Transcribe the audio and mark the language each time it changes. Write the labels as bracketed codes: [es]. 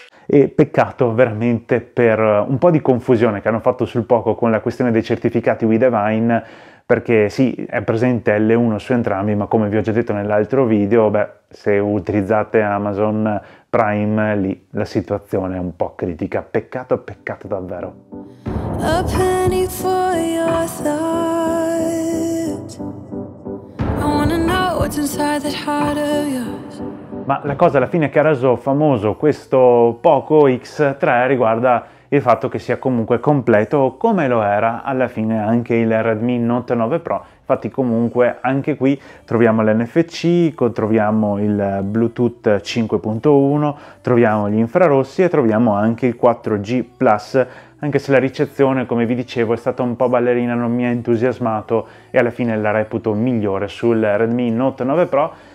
[it] E peccato veramente per un po' di confusione che hanno fatto sul Poco con la questione dei certificati WeDivine, perché sì, è presente L1 su entrambi, ma come vi ho già detto nell'altro video, beh, se utilizzate Amazon Prime, lì la situazione è un po' critica. Peccato, peccato davvero. [en] A penny for your thought. I wanna know what's inside that heart of yours. [it] Ma la cosa alla fine che ha reso famoso questo Poco X3 riguarda il fatto che sia comunque completo, come lo era alla fine anche il Redmi Note 9 Pro. Infatti comunque anche qui troviamo l'NFC, troviamo il Bluetooth 5.1, troviamo gli infrarossi e troviamo anche il 4G Plus, anche se la ricezione, come vi dicevo, è stata un po' ballerina, non mi ha entusiasmato e alla fine la reputo migliore sul Redmi Note 9 Pro.